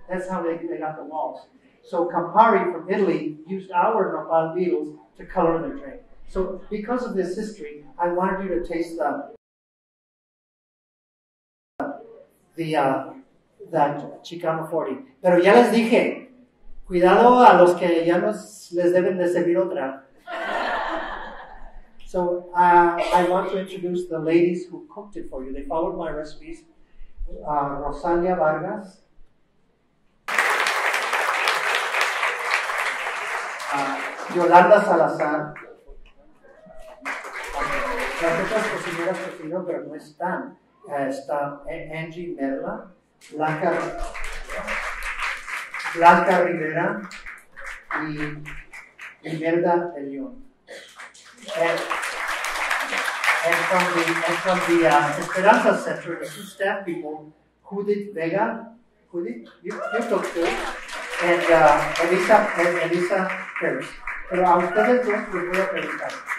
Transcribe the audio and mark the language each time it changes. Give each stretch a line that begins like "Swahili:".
English: That's how they got the walls. So Campari from Italy used our nopal beetles to color their drink. So because of this history, I wanted you to taste that Chicano 40.
Spanish: Pero ya les dije, cuidado a los que ya nos les deben de servir otra.
English: So I want to introduce the ladies who cooked it for you. They followed my recipes. Rosalia Vargas. Yolanda Salazar.
Spanish: Otras cocineras que vino, pero no están. Está Angie Merla, Blanca Rivera y Imelda de León.
English: And from the Esperanza Center, the two staff people, Judith Vega, you talk to her, and Elisa Pérez.
Spanish: Pero a ustedes dos les voy a preguntar.